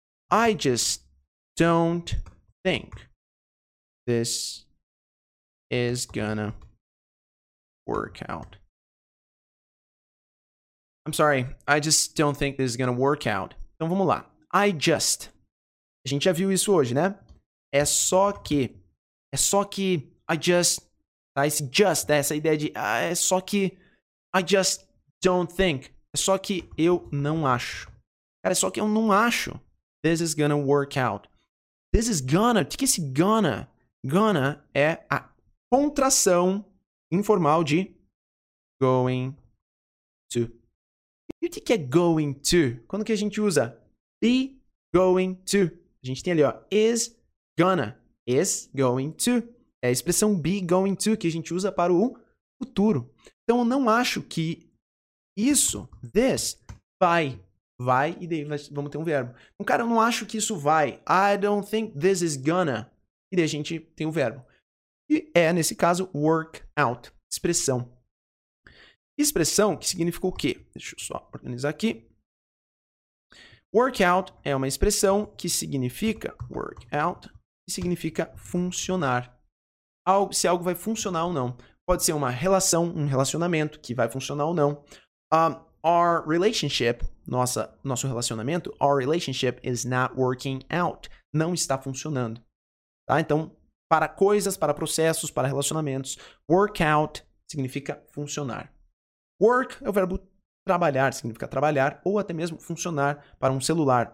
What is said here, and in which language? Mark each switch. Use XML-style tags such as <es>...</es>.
<en>I just don't think this is gonna work out. I'm sorry, I just don't think this is gonna work out.</en> <pt>Então vamos lá. I just. A gente já viu isso hoje, né? É só que. I just. Tá? Esse just, né? Essa ideia de. Ah, é só que.</pt> <en>I just don't think.</en> <pt>É só que eu não acho. Cara, é só que eu não acho.</pt> <en>This is gonna work out. This is gonna.</en> <pt>O que é esse gonna? Gonna é a contração informal de going to. E o que é going to? Quando que a gente usa? Be going to. A gente tem ali, ó.</pt> <en>Is gonna. Is going to.</en> <pt>É a expressão be going to que a gente usa para o futuro. Então, eu não acho que isso, this, vai. Vai e daí vamos ter um verbo. Então, cara, eu não acho que isso vai.</pt> <en>I don't think this is gonna.</en> <pt>E daí a gente tem o verbo. E é, nesse caso, work out. Expressão. Expressão que significa o quê? Deixa eu só organizar aqui. Work out é uma expressão que significa... Work out. Que significa funcionar. Algo, se algo vai funcionar ou não. Pode ser uma relação, um relacionamento que vai funcionar ou não. Our relationship, nosso relacionamento,</pt> <en>our relationship is not working out.</en> <pt>Não está funcionando. Tá? Então, para coisas, para processos, para relacionamentos, work out significa funcionar. Work é o verbo trabalhar, significa trabalhar, ou até mesmo funcionar para um celular.</pt>